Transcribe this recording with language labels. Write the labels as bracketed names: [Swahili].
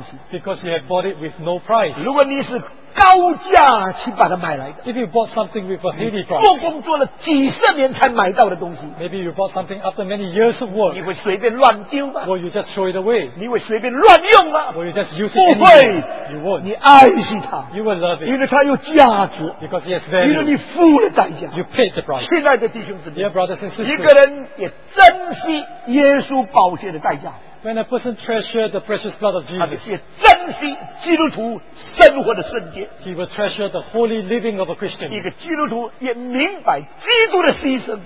[English] because you have bought it with no price. [Chinese] 如果你是高价去把它买来的, [English] if you bought something with a heavy price, [Chinese] 做工做了几十年才买到的东西, [English] maybe you bought something after many years of work, [Chinese] 你会随便乱丢吗? [English] Will you just throw it away? [Chinese] 你会随便乱用吗? [English] Will you just use it? [Chinese] 不会, [English] you won't. [Chinese] 你爱惜它, [English] you will love it, [Chinese] 因为它有价值, [English] because it has value, [Chinese] 因为你付了代价, [English] you paid the price. [Chinese] 亲爱的弟兄姊妹, [English] dear brothers and sisters, [Chinese] 一个人也珍惜耶稣宝血的代价, [English] when a person treasures the precious blood of Jesus, [Chinese] 珍惜基督徒生活的圣洁, [English] he will treasure the holy living of a Christian. [Chinese] 一个基督徒也明白基督的牺牲,